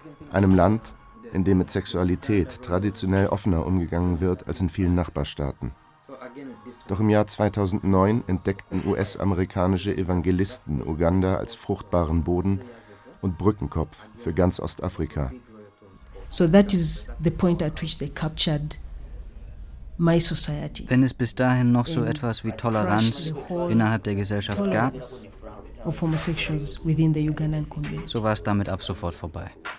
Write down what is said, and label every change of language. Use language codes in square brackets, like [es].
[de] Einem Land, in dem mit Sexualität traditionell offener umgegangen wird als in vielen Nachbarstaaten. Doch im Jahr 2009 entdeckten US-amerikanische Evangelisten Uganda als fruchtbaren Boden und Brückenkopf für ganz Ostafrika. [en] So that is the point at which they captured my society. [de] Wenn es bis dahin noch so etwas wie Toleranz innerhalb der Gesellschaft gab, [en] of homosexuals within the Ugandan community. [de] So war es damit ab sofort vorbei.